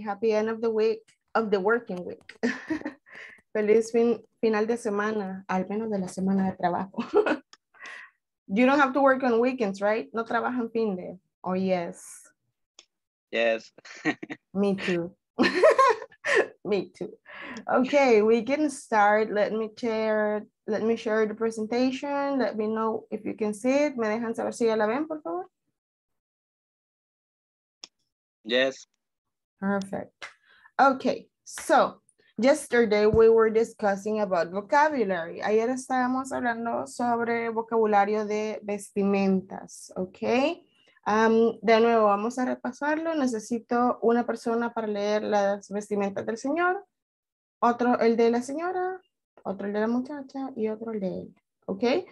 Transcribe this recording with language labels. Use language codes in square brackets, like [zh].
[en] Happy end of the week, of the working week. [es] Feliz final de semana, al menos de la semana de trabajo. [en] You don't have to work on weekends, right? [es] No trabaja en fin de. [en] Oh, yes. Yes. Me too. Me too. Okay, we can start. Let me share the presentation. Let me know if you can see it. [es] ¿Me dejan saber si ya la ven, por favor? [en] Yes. Perfect. Okay, so yesterday we were discussing about vocabulary. [es] Ayer estábamos hablando sobre vocabulario de vestimentas, okay? De nuevo, vamos a repasarlo. Necesito una persona para leer las vestimentas del señor, otro el de la señora, otro el de la muchacha y otro el de él. Okay?